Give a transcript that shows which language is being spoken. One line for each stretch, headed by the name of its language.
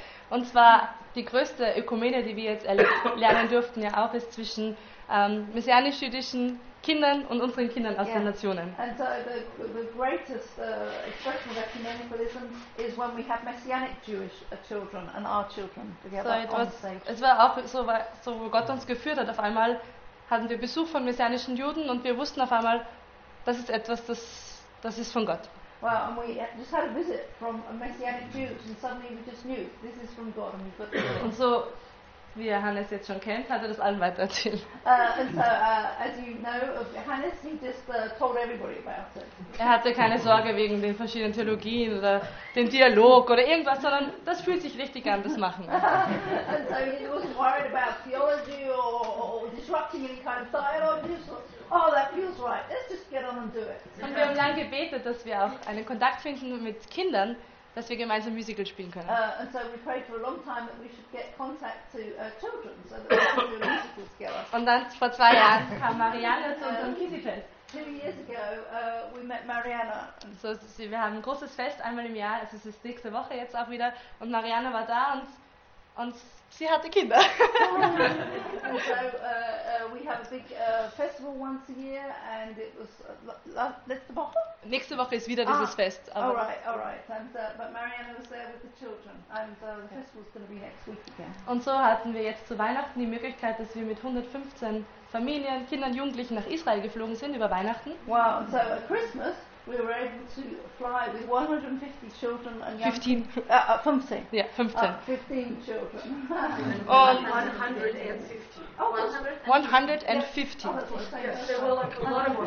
German: Und zwar die größte Ökumene, die wir jetzt lernen durften, ja auch ist zwischen messianisch-jüdischen Kindern und unseren Kindern aus den Nationen.
English: And so the greatest expression of ecumenicalism is when we have messianic Jewish children and our children together on stage.
German: Es war auch so, wo Gott uns geführt hat. Auf einmal hatten wir Besuch von messianischen Juden und wir wussten auf einmal, das ist etwas, das ist von Gott.
English: Well, and we just had a visit from a messianic Jew and suddenly we just knew this is from God and we put it
German: in. Und so wie Johannes jetzt schon kennt, hat er das allen weiter erzählt.
English: As you know of Johannes, he just told everybody about it.
German: Er hatte keine Sorge wegen den verschiedenen Theologien oder den Dialog oder irgendwas, sondern das fühlt sich richtig an, das machen.
English: And so he wasn't worried about theology or disrupting any kind of dialogue. Oh, that feels right. Let's just get on and do it.
German: Und wir haben lange gebetet, dass wir auch einen Kontakt finden mit Kindern, dass wir gemeinsam Musical spielen können.
English: And so we prayed for a long time that we should get contact to children, so that we can do a musical together.
German: Und dann vor 2 Jahren kam Mariana zu unserem Kiddy-Fest.
English: 2 years ago, we met Mariana.
German: So, wir haben ein großes Fest einmal im Jahr, also es ist nächste Woche jetzt auch wieder, und Mariana war da und sie hatte Kinder.
English: And so we have a big festival once a year and it was
German: letzte Woche? Nächste Woche ist wieder dieses Fest.
English: All right. But Mariana was there with the children and the festival is going to be next week again.
German: Und so hatten wir jetzt zu Weihnachten die Möglichkeit, dass wir mit 115 Familien, Kindern, Jugendlichen nach Israel geflogen sind über Weihnachten.
English: Wow, and so at Christmas we were able to fly with 150 children and young 15. People. 15. Yeah, 15. 15 children. Oh, 150. Oh, 150. Yes. There were like a lot of more